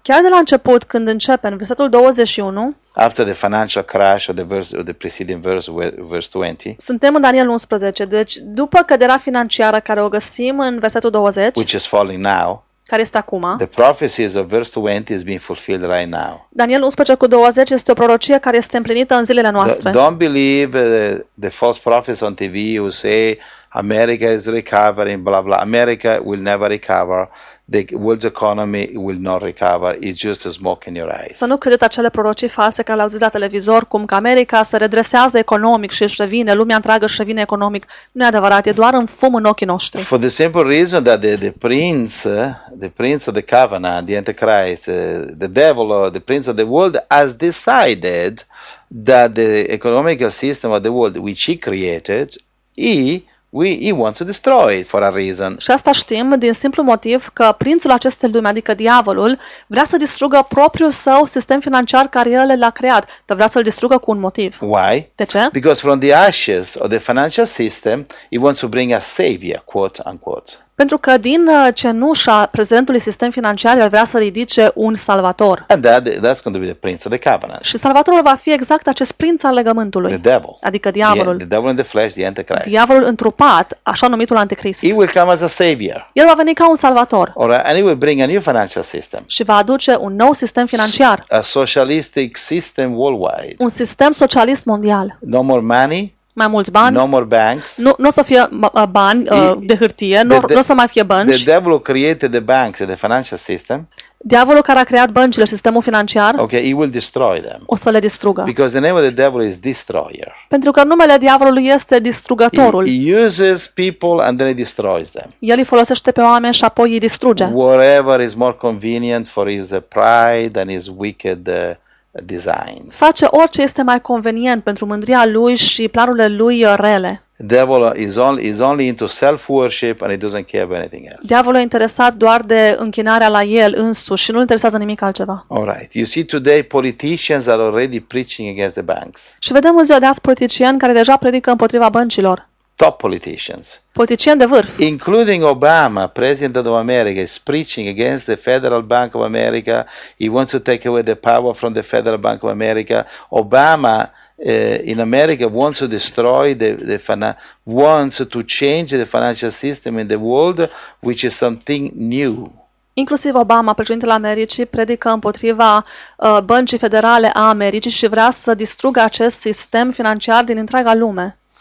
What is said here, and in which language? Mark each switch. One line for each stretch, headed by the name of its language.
Romanian: Chiar de la început, când începe, în versetul 21.
English: After the financial crash of the verse, of the preceding verse, verse 20.
Romanian: Suntem în Daniel 11, deci după căderea financiară care o găsim în versetul 20.
English: Which is falling now.
Romanian: Care este acum?
English: The prophecies of verse 20 is being fulfilled right now.
Romanian: Daniel 11:20 este o prorocie care este împlinită în zilele noastre.
English: Don't believe the false prophets on TV who say America is recovering, blah blah. America will never recover. The world's economy will not recover. It's just a smoke in your eyes.
Romanian: Să nu credeți acele prorocii false care le-au zis la televizor, cum că America se redresează economic și își revine, lumea întreagă își revine economic. Nu e adevărat, e doar în fum în ochii noștri.
English: For the simple reason that the prince of the covenant, the Antichrist, the devil, or the prince of the world, has decided that the economical system of the world, which he created, he wants to destroy it for a reason.
Romanian: Și asta știm din simplu motiv că prințul acestei lumi, adică diavolul, vrea să distrugă propriul său sistem financiar care el l-a creat, dar vrea să-l distrugă cu un motiv.
English: Why?
Romanian: De ce?
English: Because from the ashes of the financial system, he wants to bring a savior, quote unquote.
Romanian: Pentru că din cenușa prezentului sistem financiar el vrea să ridice un salvator.
English: And that's going to be the prince of the covenant.
Romanian: Și salvatorul va fi exact acest prinț al legământului.
English: The devil.
Romanian: Adică diavolul.
English: The devil in the flesh, the Antichrist.
Romanian: Diavolul întrupat, așa numitul Antichrist.
English: He will come as a savior.
Romanian: El va veni ca un salvator.
English: Or, and he will bring a new financial system.
Romanian: Și va aduce un nou sistem financiar.
English: A socialistic system worldwide.
Romanian: Un sistem socialist mondial.
English: No more money.
Romanian: Mai mulți bani.
English: No more banks.
Romanian: Nu o să fie bani de hârtie, nu o să mai fie bănci.
English: The devil created the banks and the financial system.
Romanian: Diavolul care a creat băncile, sistemul financiar.
English: Okay, he will destroy them.
Romanian: O să le distrugă.
English: Because the name of the devil is destroyer.
Romanian: Pentru că numele diavolului este distrugătorul.
English: He uses people and then he destroys them.
Romanian: El îi folosește pe oameni și apoi îi distruge.
English: Whatever is more convenient for his pride and his wicked designs.
Romanian: Face orice este mai convenient pentru mândria lui și planurile lui rele.
English: Devil is only into self-worship and he doesn't care about anything else.
Romanian: Diavolul e interesat doar de închinarea la el însuși și nu interesează nimic altceva.
English: All right. You see today politicians are already preaching against the banks.
Romanian: Și vedem în ziua de azi politicieni care deja predică împotriva băncilor.
English: Top politicians.
Romanian: Politicieni de vârf.
English: Including Obama, President of America, is preaching against the Federal Bank of America. He wants to take away the power from the Federal Bank of America. Obama in America wants to destroy wants to change the financial system in the world, which is something new.
Romanian: Inclusiv Obama, președintele Americii, predică împotriva băncii federale a Americii și vrea să distrugă acest sistem financiar din întreaga lume.